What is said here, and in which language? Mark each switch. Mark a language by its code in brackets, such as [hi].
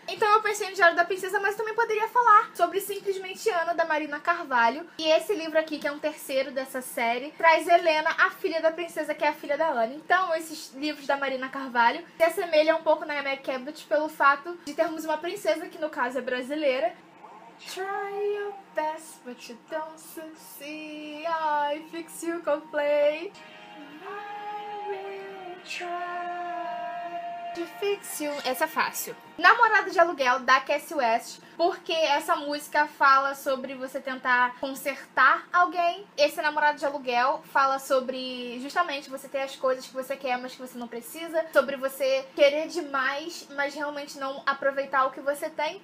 [pt] Então eu pensei no Diário da Princesa, mas também poderia falar sobre Simplesmente Ana, da Marina Carvalho. E esse livro aqui, que é um terceiro dessa série, traz Helena, a filha da princesa, que é a filha da Ana. Então esses livros da Marina Carvalho se assemelham um pouco na Meg Cabot pelo fato de termos uma princesa, que no caso é brasileira. [en] Try your best, but you don't succeed. I fix you complain. I will try to fix you. [pt] Essa é fácil. Namorada de Aluguel, da Cassie West. Porque essa música fala sobre você tentar consertar alguém. Esse Namorado de Aluguel fala sobre, justamente, você ter as coisas que você quer, mas que você não precisa. Sobre você querer demais, mas realmente não aproveitar o que você tem.